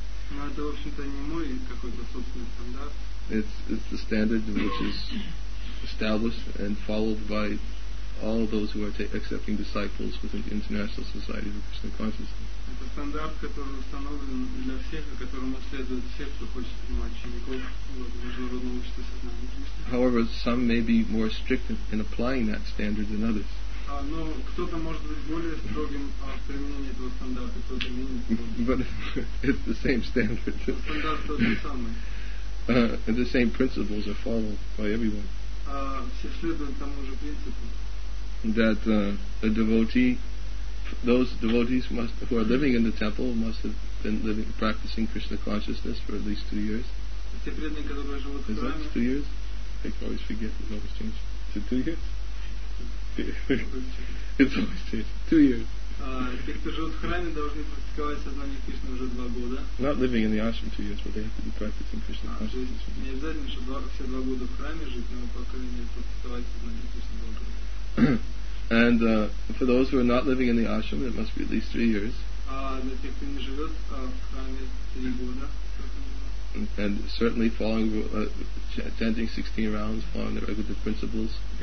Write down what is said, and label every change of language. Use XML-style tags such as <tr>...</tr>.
<ru>Но это, в общем-то, не мой какой-то собственный стандарт.</ru> <en>It's the standard which is established and followed by all those who are accepting disciples within the International Society for Krishna Consciousness.</en> <ru>Это стандарт, который установлен для всех, и которому следуют все, кто хочет принимать учеников в международном обществе сознания Кришны.</ru> <en>However, some may be more strict in applying that standard than others.</en> <ru>Но кто-то может быть более строгим в применении этого стандарта, кто-то менее строгим.</ru> <en>But it's the same standard.</en> <ru>Стандарт тот же самый.</ru> <en>And the same principles are followed by everyone.</en> <ru>Все следуют тому же принципу.</ru> <en>That a devotee, those devotees must, who are living in the temple must have been living, practicing Krishna consciousness for at least 2 years.</en> <ru>Те преданные, которые живут в храме.</ru> <en>Is that 2 years? I always forget, it always changes. Is it 2 years? It's always changed. 2 years.</en> <ru>Те, кто живут в храме, должны практиковать сознание Кришны уже 2 года.</ru> <en>Not living in the ashram 2 years, but they have to be practicing Krishna consciousness.</en> <ru>Не обязательно, чтобы все 2 года в храме жить, но по крайней мере практиковать сознание Кришны 2 года.</ru> <en>And for those who are not living in the ashram, it must be at least 3 years.</en> <ru>Для тех, кто не живет в храме 3 года.</ru> <en>And certainly following chanting 16 rounds following the regular principles.</en>